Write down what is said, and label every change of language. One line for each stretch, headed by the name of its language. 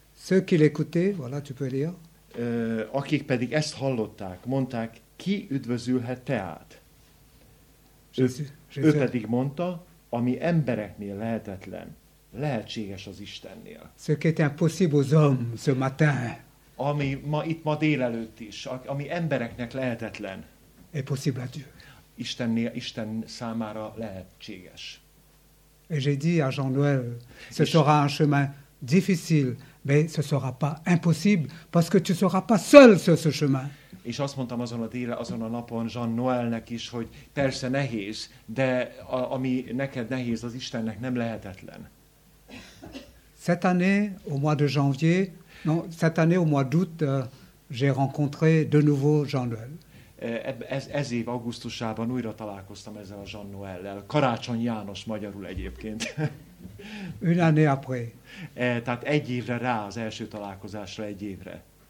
French: Ceux qui l'écoutaient, voilà, tu peux lire.
Hungarian: Akik pedig ezt hallották, mondták, ki üdvözülhet te át? Ő pedig mondta, ami embereknél lehetetlen, lehetséges az Istennél.
French: Ce qui était impossible aux hommes ce matin.
Hungarian: Ami ma itt ma délelőtt is, ami embereknek lehetetlen.
French: Et possible à Dieu.
Hungarian: Isten számára lehetséges.
French: Et j'ai dit à Jean-Noël, ce sera un chemin difficile, mais ce sera pas impossible, parce que tu seras pas seul sur ce chemin.
Hungarian: És azt mondtam azon a napon Jean-Noëlnek is, hogy persze nehéz, de ami neked nehéz, az Istennek nem lehetetlen.
French: Cette année, au mois de janvier, non, cette année au mois d'août, j'ai rencontré de nouveau Jean-Noël.
Hungarian: Ez év augusztusában újra találkoztam ezzel a Jean-Noëllel. Karácsony János magyarul egyébként.
French: Une année après.
Hungarian: Tehát egy évre rá, az első találkozásra egy évre.